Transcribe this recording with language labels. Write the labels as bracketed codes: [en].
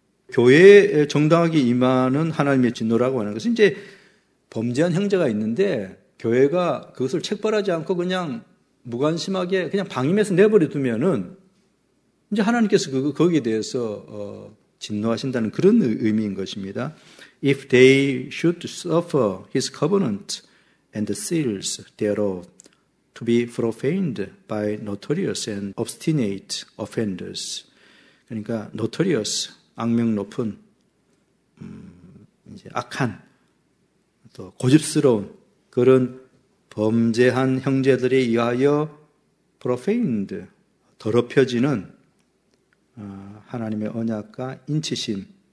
[ko] 교회에 정당하게 임하는 하나님의 진노라고 하는 것은 이제 범죄한 형제가 있는데 교회가 그것을 책벌하지 않고 그냥 무관심하게 그냥 방임해서 내버려 두면은 이제 하나님께서 거기에 대해서 진노하신다는 그런 의미인 것입니다. [en] If they should suffer his covenant and the seals thereof, to be profaned by notorious and obstinate offenders. [ko] 그러니까 notorious, 악명 높은, 이제 악한, 또 고집스러운 그런 범죄한 형제들에 의하여 profaned, 더럽혀지는 하나님의 언약과 인치심.